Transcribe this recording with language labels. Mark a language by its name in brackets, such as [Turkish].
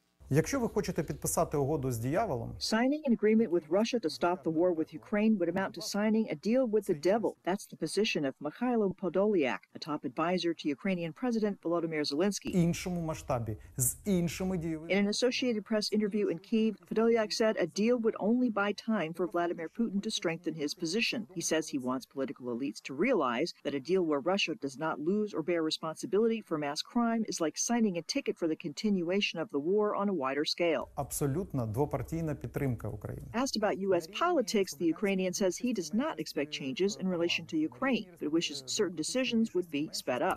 [Ukrainian] Якщо ви хочете підписати угоду з дияволом, [English] signing an agreement with Russia to stop the war with Ukraine would amount to signing a deal with the devil. That's the position of Mykhailo Podolyak, a top advisor to Ukrainian President Volodymyr Zelensky. [Ukrainian] Іншому масштабі, з іншими діями. [English] In an Associated Press interview in Kyiv, Podolyak said a deal would only buy time for Vladimir Putin to strengthen his position. He says he wants political elites to realize that a deal where Russia does not lose or bear responsibility for mass crime is like signing a ticket for the continuation of the war on a wider scale. [Ukrainian] Абсолютно двопартійна підтримка України. [English] Asked about U.S. politics, the Ukrainian says he does not expect changes in relation to Ukraine, but wishes certain decisions would be sped up.